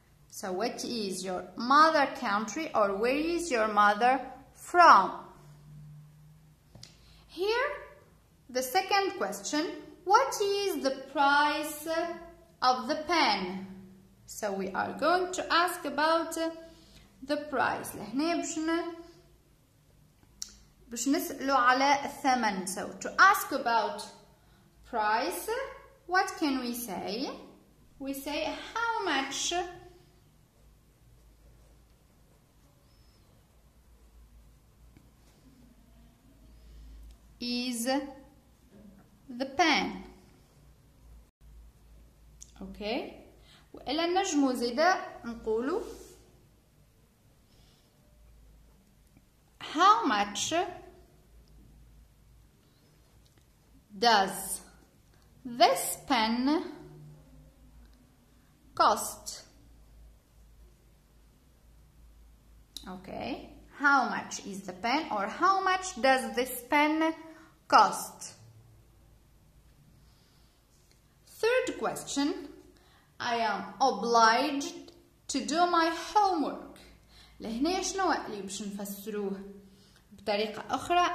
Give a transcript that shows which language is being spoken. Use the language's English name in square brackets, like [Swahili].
[English] So what is your mother country, or where is your mother from? Here, the second question, what is the price of the pen? So we are going to ask about the price. [Arabic] لهنا باش نسألوا على الثمن. [English] So to ask about price, what can we say? We say how much. Is the pen. Okay. [Arabic] وإلا نجمو زيدا نقولو [English] how much does this pen cost? Okay. How much is the pen, or how much does this pen cost? Third question. I am obliged to do my homework. [Arabic] لهنا شنو اللي باش نفسروه بطريقة أخرى.